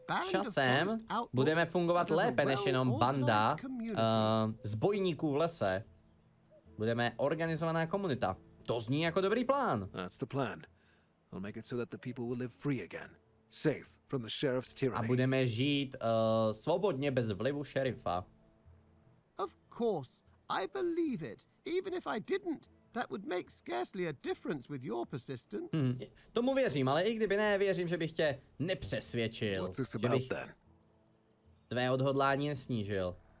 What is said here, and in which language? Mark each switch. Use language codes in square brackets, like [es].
[cs] Časem budeme fungovat lépe než jenom banda zbojníků v lese. Budeme organizovaná komunita. To zní jako dobrý plán. [en] That's the plan. We'll make it so that the people will live free again, safe from the sheriff's tyranny. [cs] A budeme žít svobodně bez vlivu šerifa. [en] Of course, I believe it, even if I didn't. That would make scarcely a difference with your persistence. Hmm. [cs] Tomu věřím, ale i kdyby ne, věřím, že bych tě nepřesvědčil. [en] What's this about then? [cs] Tvé odhodlání nesnížil.